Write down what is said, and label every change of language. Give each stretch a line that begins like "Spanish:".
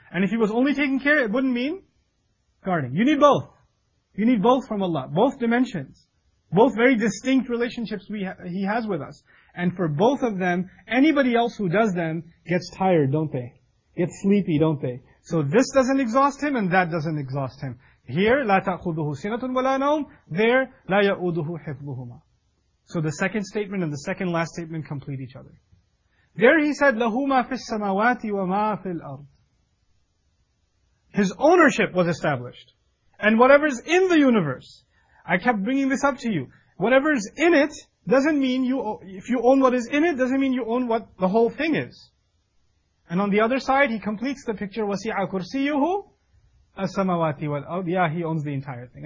English: And if He was only taking care, it wouldn't mean guarding. You need both. You need both from Allah. Both dimensions. Both very distinct relationships He has with us. And for both of them, anybody else who does them gets tired, don't they? Gets sleepy, don't they? So this doesn't exhaust him and that doesn't exhaust him. Here,
Arabic: لا تأخذه سنة ولا نوم.
English: There,
Arabic: لا يؤوده حفظهما.
English: So the second statement and the second last statement complete each other. There he said,
Arabic: له ما في السماوات وما في الأرض.
English: His ownership was established. And whatever's in the universe, I kept bringing this up to you, whatever's in it, doesn't mean you, if you own what is in it, doesn't mean you own what the whole thing is. And on the other side, he completes the picture,
Arabic: وَسِعَ كُرْسِيُّهُ السَّمَوَاتِ وَالْأَرْضِ
English: Yeah, he owns the entire thing.